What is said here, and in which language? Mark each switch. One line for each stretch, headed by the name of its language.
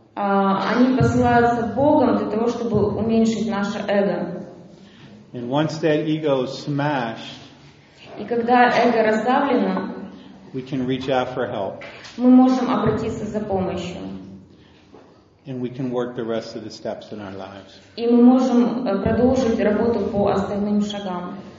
Russian: Они посылаются Богом для того, чтобы уменьшить наше эго.
English: And once that ego is smashed,
Russian: и когда эго раздавлено,
English: we can reach out for help.
Russian: Мы можем обратиться за помощью.
English: And we can work the rest of the steps in our lives.
Russian: И мы можем продолжить работу по остальным шагам.